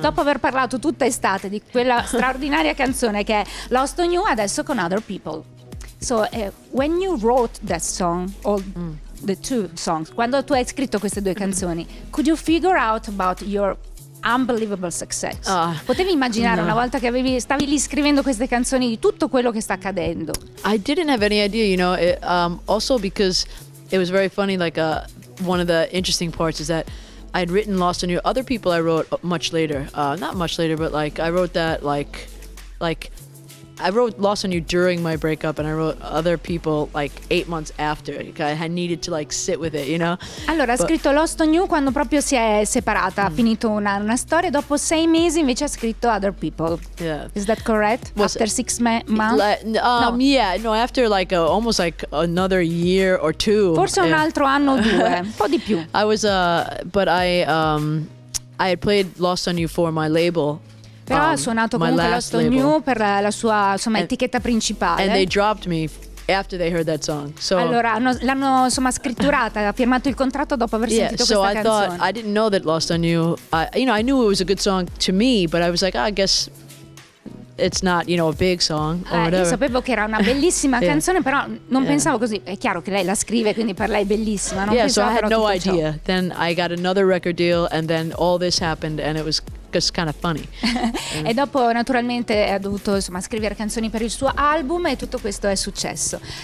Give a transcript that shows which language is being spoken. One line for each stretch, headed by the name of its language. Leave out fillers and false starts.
Italian: Dopo aver parlato tutta estate di quella straordinaria canzone che è Lost on You, adesso con Other People.
English: So, when you wrote that song, the two songs,
Italian: quando tu hai scritto queste due canzoni,
English: could you figure out about your unbelievable success?
Italian: Potevi immaginare una volta che stavi lì scrivendo queste canzoni di tutto quello che sta accadendo?
English: I didn't have any idea, you know, also because it was very funny, like one of the interesting parts is that I'd written Lost on You, Other People I wrote much later, not much later, but like I wrote that like I wrote Lost on You during my breakup, and I wrote Other People like 8 months after. I needed to like sit with it, you know?
Italian: Allora, ha scritto Lost on You quando proprio si è separata, ha finito una storia. Dopo 6 mesi invece ha scritto Other People.
English: Yeah. Is that correct? After 6 months? After like almost like another year or two.
Italian: Forse un altro anno o due, un po' di più.
English: I was, I had played Lost on You for my label.
Italian: Però ha suonato comunque Lost on You per la sua insomma, etichetta principale.
English: And they dropped me after they heard that song. So,
Italian: allora l'hanno insomma scritturata, ha firmato il contratto dopo aver sentito questa canzone.
English: So I thought, I didn't know that Lost on You, you know, I knew it was a good song to me, but I was like, oh, I guess it's not, you know, a big song or whatever.
Italian: Io sapevo che era una bellissima canzone, però non pensavo così. È chiaro che lei la scrive, quindi per lei è bellissima. Non
English: so I had no idea.
Italian: Ciò.
English: Then I got another record deal, and then all this happened, and it was just kind of funny.
Italian: E dopo naturalmente ha dovuto insomma scrivere canzoni per il suo album e tutto questo è successo.